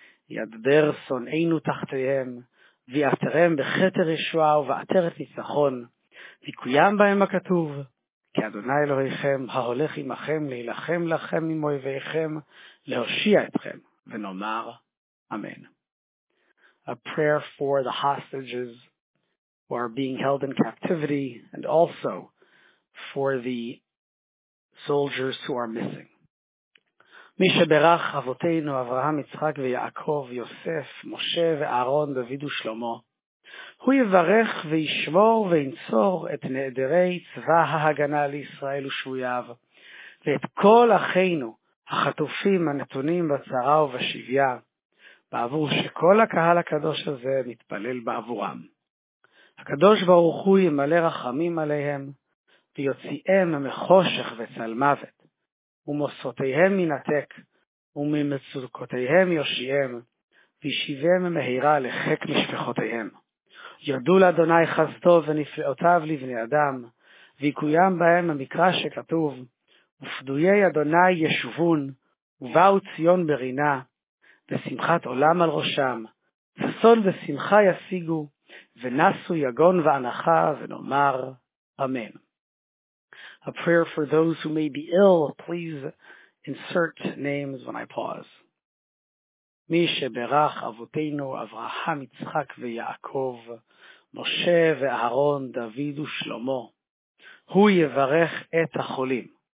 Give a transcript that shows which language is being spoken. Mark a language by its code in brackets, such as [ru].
[he] ידבר שונאינו תחתיהם, ויעטרם בכתר ישועה ובעטרת ניצחון, ויקוים בהם הכתוב, כי אדוני אלוהיכם, ההולך עמכם להילחם לכם עם אויביכם, להושיע אתכם, ונאמר אמן. [en] A prayer for the hostages who are being held in captivity, and also for the soldiers who are missing. [he] מי שברך אבותינו אברהם יצחק ויעקב יוסף משה ואהרון דוד ושלמה, הוא יברך וישמור וינצור את נעדרי צבא ההגנה לישראל ושבויו, ואת כל אחינו החטופים הנתונים בצרה ובשביה, בעבור שכל הקהל הקדוש הזה מתפלל בעבורם. הקדוש ברוך הוא ימלא רחמים עליהם, ויוציאם מחושך וצל מוות, ומוסותיהם ינתק, וממצוקותיהם יושיעם, וישיבם מהירה לחק משפחותיהם. יודו לאדוני חסדו ונפלאותיו לבני אדם, ויקוים בהם המקרא שכתוב, ופדויי אדוני ישובון, ובאו ציון ברינה, ושמחת עולם על ראשם, ששון ושמחה ישיגו, ונסו יגון ואנחה, ונאמר אמן. [en] A prayer for those who may be ill, please insert names when I pause. [he] מי שברך אבותינו אברהם יצחק ויעקב, משה ואהרון, דוד ושלמה, הוא יברך את החולים.